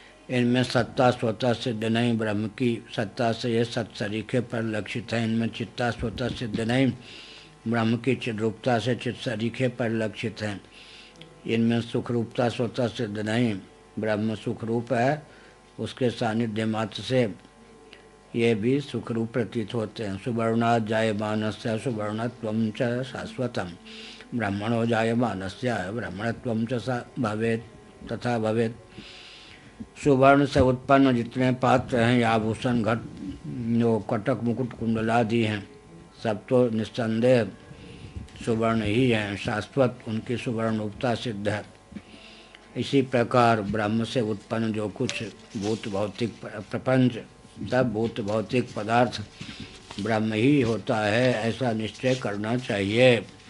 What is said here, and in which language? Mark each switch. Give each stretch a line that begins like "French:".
Hindi: इनमें सत्ता स्वतः सिद्ध नहीं, ब्रह्म की सत्ता से ये सत्सरीखे पर लक्षित है। इनमें चित्ता स्वतः सिद्ध नहीं, ब्रह्म की चिद्रूपता से चित्सरीखे पर लक्षित हैं। इनमें सुख रूपता स्वतः सिद्ध नहीं, ब्रह्म सुख रूप है, उसके सानिध्य मात्र से ये भी सुखरूप प्रतीत होते हैं।
Sanskrit: सुवर्णा जायमानस्य सुवर्णत्वं च शाश्वतम्, ब्राह्मणो जायमानस्य ब्राह्मणत्वं च भवेत् तथा भवेत्।
Hindi: सुवर्ण से उत्पन्न जितने पात्र हैं, या आभूषण घट जो कटक मुकुट कुंडलादि हैं, सब तो निस्संदेह सुवर्ण ही हैं, शाश्वत उनकी सुवर्ण रूपता सिद्ध है। इसी प्रकार ब्रह्म से उत्पन्न जो कुछ भूत भौतिक प्रपंच, सब भूत भौतिक पदार्थ ब्रह्म ही होता है, ऐसा निश्चय करना चाहिए।